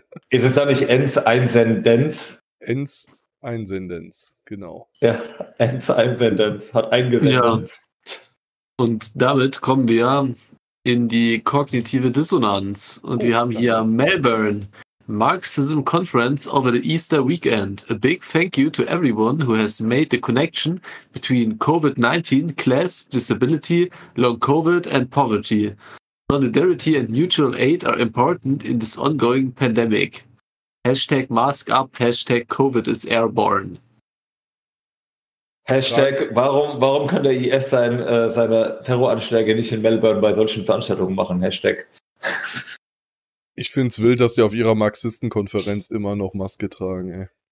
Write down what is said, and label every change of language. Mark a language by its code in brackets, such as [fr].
[de] Ist es doch nicht Ends Einsendens? Ends Einsendens, genau. Ja, Ends Einsendens hat eingesendet. Ja. Und damit kommen wir in die kognitive Dissonanz. Und wir haben hier Melbourne. [en] Marxism Conference over the Easter weekend. A big thank you to everyone who has made the connection between COVID-19, class, disability, long COVID and poverty. Solidarity and mutual aid are important in this ongoing pandemic. Hashtag mask up, hashtag COVID is airborne. [de] Hashtag, warum kann der IS seine Terroranschläge nicht in Melbourne bei solchen Veranstaltungen machen? Hashtag. Ich finde es wild, dass die auf ihrer Marxistenkonferenz immer noch Maske tragen, ey.